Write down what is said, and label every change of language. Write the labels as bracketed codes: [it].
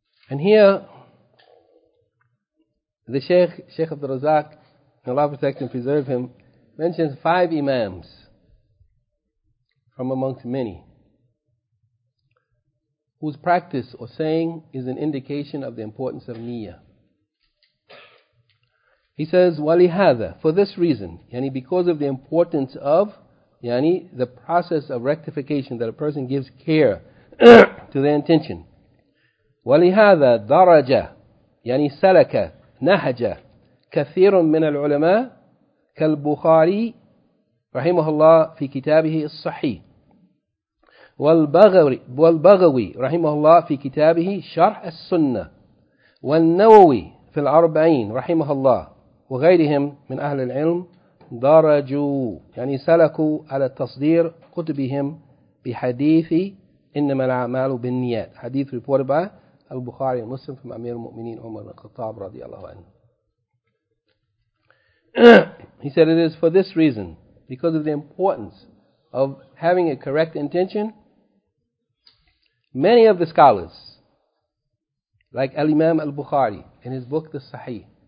[en] And here, the Shaykh Abdul Razak, may Allah protect and preserve him, mentions five imams from amongst many, whose practice or saying is an indication of the importance of niyyah. He says, وَلِهَذَا, for this reason, yani because of the importance of yani the process of rectification, that a person gives care to their intention. [ar] وَلِهَذَا دَرَجَ يعني سَلَكَ نَهَجَ كَثِيرٌ مِّنَ الْعُلَمَاءِ كَالْبُخَارِي رَحِمَهُ اللَّهِ فِي كِتَابِهِ الصَّحِيِّ وَالْبَغَوِي رَحِمَهُ اللَّهِ فِي كِتَابِهِ شَرْحَ السُّنَّةِ وَالنَّوَوِي فِي الْأَرْبَعِينَ رَحِمَهُ اللَّهِ وغيرهم من أهل العلم درجوا يعني سلكوا على تصدير كتبهم بحديث إنما الأعمال بالنيات. حديث [en] reported by [ar] البخاري المسلم from أمير المؤمنين عمر بن الخطاب رضي الله عنه. [en] He said it is for this reason, because of the importance of having a correct intention, many of the scholars like Al-Imam Al-Bukhari in his book The Sahih,